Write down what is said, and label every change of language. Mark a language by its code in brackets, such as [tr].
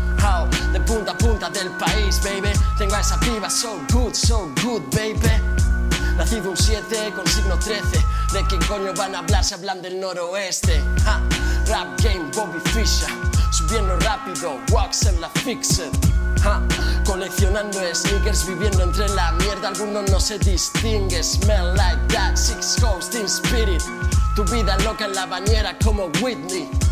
[es] How? De punta a punta del país, baby. Tengo a esa piba, [en] so good, baby. [es] Nacido un 7 con signo 13. ¿De qué coño van a hablar si hablan del noroeste? Ha. [en] Rap game, Bobby Fischer. [es] Subiendo rápido, wax en la fixed. Ha. Coleccionando sneakers, viviendo entre la mierda. Alguno no se distingue. [en] Smell like that, six hoes, team spirit. [es] Tu vida loca en la bañera como Whitney.